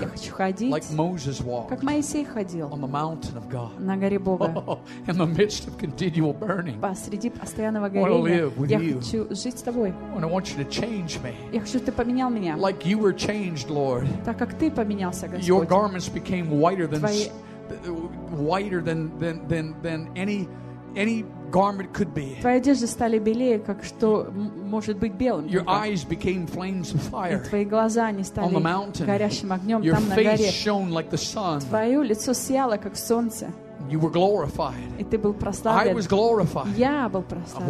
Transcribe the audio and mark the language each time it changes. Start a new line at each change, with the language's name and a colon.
Russian: я хочу ходить
English: like Moses walked
Russian: как Моисей ходил
English: on the mountain of God.
Russian: На горе Бога.
English: Oh, in the midst of continual burning.
Russian: Посреди постоянного горения.
English: I want to live with
Russian: я
English: you.
Russian: Хочу жить с тобой.
English: And I want you to change me.
Russian: Я хочу, чтобы ты поменял меня.
English: Like you were changed, Lord.
Russian: Так как ты поменялся, Господь.
English: Your garments became whiter than whiter than any garment could be.
Russian: Твои одежды стали белее, как что может быть белым.
English: Your eyes became flames of fire.
Russian: Твои глаза они стали горящим огнём там на горе.
English: Your face shone like the sun.
Russian: Твоё лицо сияло как солнце.
English: You were glorified.
Russian: И ты был прославлен.
English: I was glorified.
Russian: Я был прославлен.